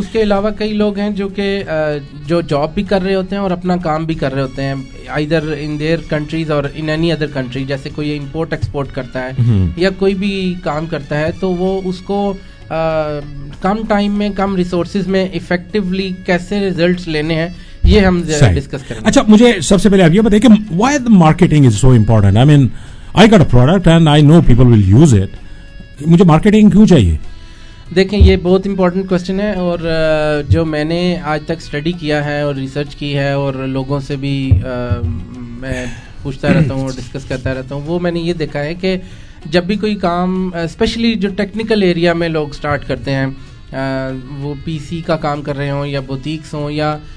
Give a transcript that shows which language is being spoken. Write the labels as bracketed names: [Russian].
[Urdu] اس کے علاوہ کئی لوگ ہیں جو کہ جو جاب بھی کر رہے ہوتے ہیں اور اپنا کام بھی کر رہے ہوتے ہیں [English] either in their countries [Urdu] اور [English] in any other country, [Urdu] جیسے کوئی امپورٹ ایکسپورٹ کرتا ہے یا کوئی بھی کام کرتا ہے تو وہ اس کو کم ٹائم میں کم ریسورسز میں افیکٹولی کیسے ریزلٹس لینے ہیں یہ ہم ڈسکس کریں. اچھا مجھے سب سے پہلے آپ یہ بتائیں کہ [English] Why the marketing is so important. I mean I got a product and I know people will use it. [Urdu] مجھے مارکیٹنگ کیوں چاہیے؟ دیکھیں یہ بہت امپورٹنٹ کوسچن ہے اور جو میں نے آج تک اسٹڈی کیا ہے اور ریسرچ کی ہے اور لوگوں سے بھی میں پوچھتا رہتا ہوں اور ڈسکس کرتا رہتا ہوں وہ میں نے یہ دیکھا ہے کہ جب بھی کوئی کام اسپیشلی جو ٹیکنیکل ایریا میں لوگ اسٹارٹ کرتے ہیں وہ پی سی کا کام کر رہے ہوں یا بوتیکس ہوں یا